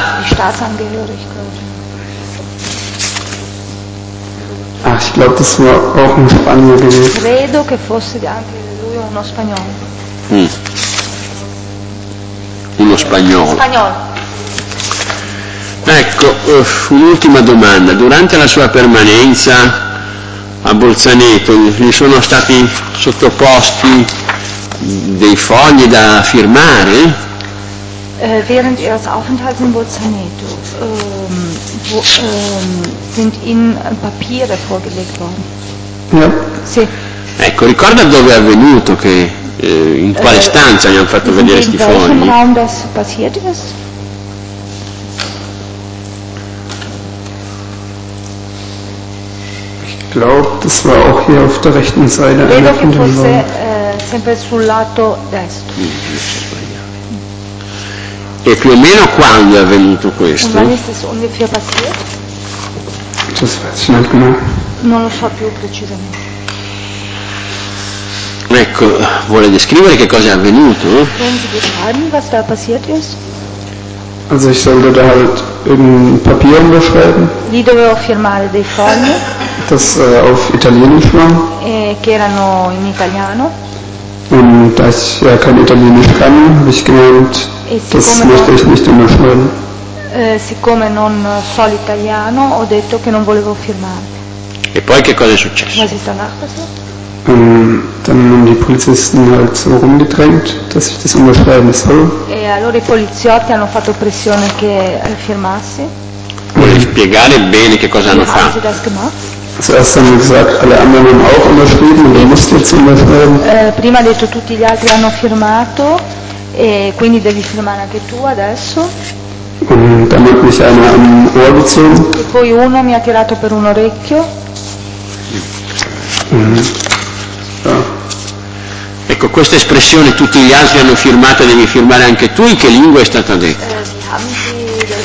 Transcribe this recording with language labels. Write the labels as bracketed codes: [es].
[de] Die Staatsangehörigkeit. Ah, ich glaube, das war auch ein Spanier gewesen. [it] Credo che fosse anche lui uno spagnolo. Uno spagnolo. Spagnolo. Ecco, un'ultima domanda. Durante la sua permanenza a Bolzaneto gli sono stati sottoposti dei fogli da firmare? [de] Während ihres Aufenthalts in Bolzaneto sind ihnen Papiere vorgelegt worden. Ja. [it] Sì. Ecco, ricorda dove è avvenuto che in quale stanza gli hanno fatto vedere questi fogli? [de] In welchem Raum das passiert ist? Ich glaube, das war auch hier auf der rechten Seite. [it] Credo che fosse sempre sul lato destro. E più o meno quando è avvenuto questo? [de] Und wann ist das ungefähr passiert? Das weiß ich nicht mehr. [it] Non lo so più precisamente. Ecco, vuole descrivere che cosa è avvenuto? [de] Was da passiert ist? Also ich sollte da halt in Papier unterschreiben. [it] Die dovevo firmare dei fogli. [de] Das auf Italienisch war. [it] E che erano in italiano. [de] Und da ich ja kein Italienisch kann, habe ich gemeint, das möchte ich nicht unterschreiben. [it] Siccome non so l'italiano, ho detto che non volevo firmare. E poi che cosa è successo? [de] Was ist danach passiert? Dann haben die Polizisten halt so rumgedrängt, dass ich das unterschreiben soll. [it] E allora i poliziotti hanno fatto pressione che firmassi. Vuoi spiegare bene che cosa hanno fatto? [de] Zuerst haben sie gesagt, alle anderen haben auch unterschrieben und du musst jetzt unterschreiben. [it] Prima detto tutti gli altri hanno firmato e quindi devi firmare anche tu adesso. [de] Und dann hat mich einer am Ohr gezogen. [it] E poi uno mi ha tirato per un orecchio. Ecco, questa espressione tutti gli altri hanno firmato, devi firmare anche tu, in che lingua è stata detta?